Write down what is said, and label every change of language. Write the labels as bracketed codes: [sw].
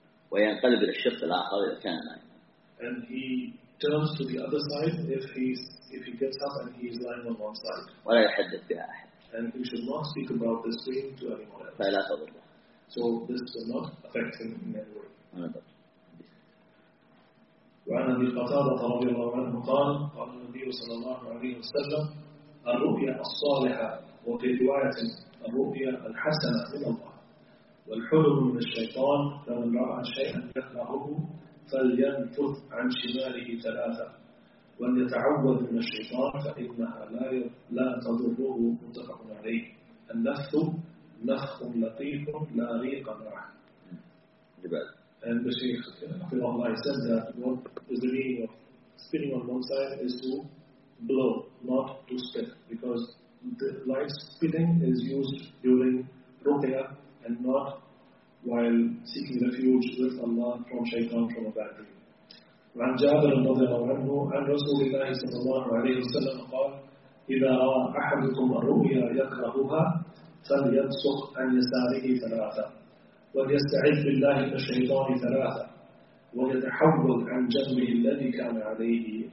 [ar] وينقلب إلى الشق الآخر إذا كان نايم. [en] And he turns to the other side if he gets up and he is lying on one side. [ar] ولا يحدث بها أحد. [en] And he should not speak about this dream to anyone else. [ar] فلا تضره. [en] So this will not affect him in any way. [ar] وعن أبي قتادة رضي الله عنه قال قال النبي صلى الله عليه وسلم الرؤيا الصالحة وفي دعاء الرؤيا الحسنة من الله. والحلم من الشيطان فمن رأى شيئا يكرهه فلينفث عن شماله 3، وليتعوذ من الشيطان فإنها لا تضره. متفق عليه. النفث نفخ لطيف لا ريق معه. [en] And the Shaykh of Allah said that what is the meaning of spinning on one side is to blow, not to spit, because the light spinning is used during ruqya and not while seeking refuge with Allah from shaitan from a bad dream. [ar] عن جابر رضي الله عنه عن رسول الله صلى الله عليه وسلم قال إذا رأى أحدكم الرؤيا يكرهها فليبصق عن يساره 3، وليستعذ بالله من الشيطان 3، وليتحول عن جنبه الذي كان عليه.